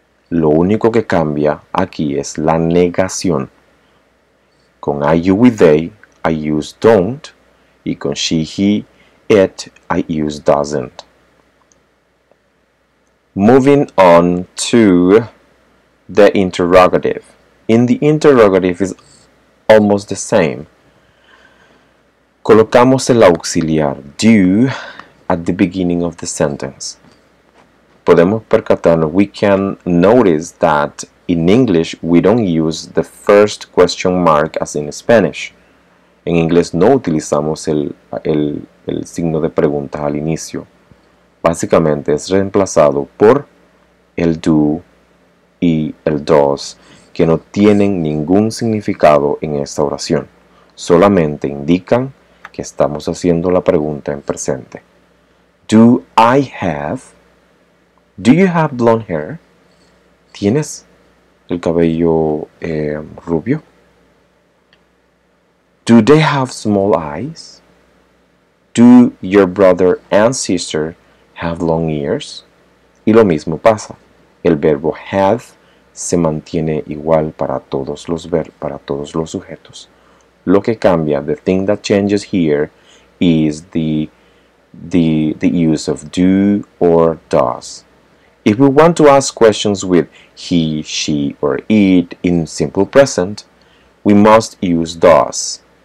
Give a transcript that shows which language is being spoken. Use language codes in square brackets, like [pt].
[es] Lo único que cambia aquí es la negación. [en] Con I, you, we, they, I use don't, [es] y con [en] she, he, it, I use doesn't. Moving on to the interrogative. In the interrogative is almost the same. [es] Colocamos el auxiliar [en] do at the beginning of the sentence. [es] Podemos percatarnos, [en] we can notice that in English we don't use the first question mark as in Spanish. [es] En inglés no utilizamos el signo de pregunta al inicio. Básicamente es reemplazado por el do y el does, que no tienen ningún significado en esta oración. Solamente indican que estamos haciendo la pregunta en presente. [en] Do I have? Do you have blonde hair? [es] ¿Tienes el cabello rubio? [en] Do they have small eyes? Do your brother and sister have long ears? [es] Y lo mismo pasa. El verbo have se mantiene igual para todos los sujetos. Lo que cambia, [en] the thing that changes here, is the use of do or does. If we want to ask questions with he, she, or it in simple present, we must use does.